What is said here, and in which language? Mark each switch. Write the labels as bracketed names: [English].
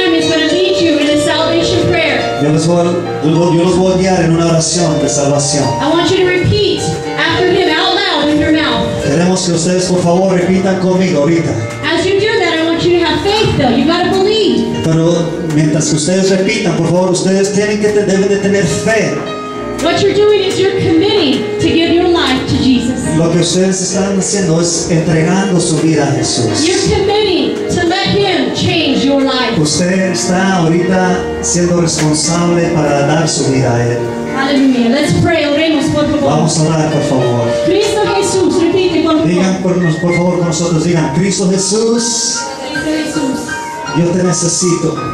[English] Reverend Jaime is going to lead you in a salvation prayer. [Spanish] Yo los voy a guiar en una oración de salvación. [English] I want you to repeat after him out loud in your mouth. [Spanish] Queremos que ustedes, por favor, repitan conmigo ahorita. [English] As you do that, I want you to have faith, though. You've got to believe. [Spanish] Pero mientras ustedes repitan, por favor, ustedes tienen que deben de tener fe. [English] What you're doing is you're committing to give your life to Jesus. [Spanish] Lo que ustedes están haciendo es entregando su vida a Jesús. [English] You're committing to let him change your life. [Spanish] Usted está ahorita siendo responsable para dar su vida a él. [English] Hallelujah. Let's pray. [Spanish] Oremos, por favor. Vamos a orar, por favor. Cristo Jesús, repite, por favor. Digan por favor con nosotros, digan, Cristo Jesús. Cristo Jesús. Yo te necesito.